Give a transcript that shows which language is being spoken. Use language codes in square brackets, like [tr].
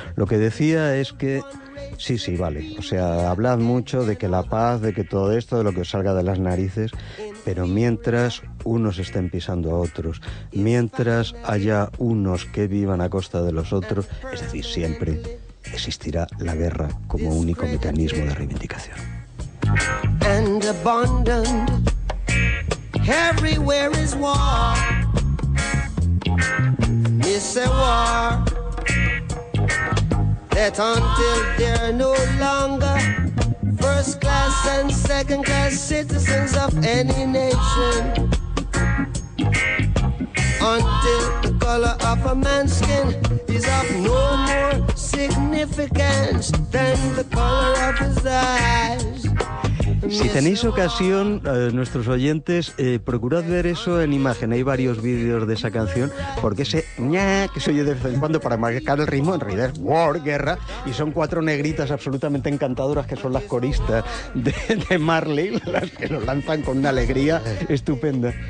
[es] Lo que decía es que... Sí, sí, vale. O sea, hablad mucho de que la paz, de que todo esto, de lo que os salga de las narices, pero mientras unos estén pisando a otros, mientras haya unos que vivan a costa de los otros, es decir, siempre existirá la guerra como único mecanismo de reivindicación. [en] And abandoned everywhere is war. It's a war. That until they're no longer first class and second class citizens of any nation. Until the color of a man's skin is of no more significance than the color of his eyes. [es] Si tenéis ocasión, nuestros oyentes, procurad ver eso en imagen. Hay varios vídeos de esa canción, porque ese ña que se oye de vez en cuando para marcar el ritmo, en realidad es war, guerra, y son cuatro negritas absolutamente encantadoras que son las coristas de Marley, las que lo lanzan con una alegría estupenda.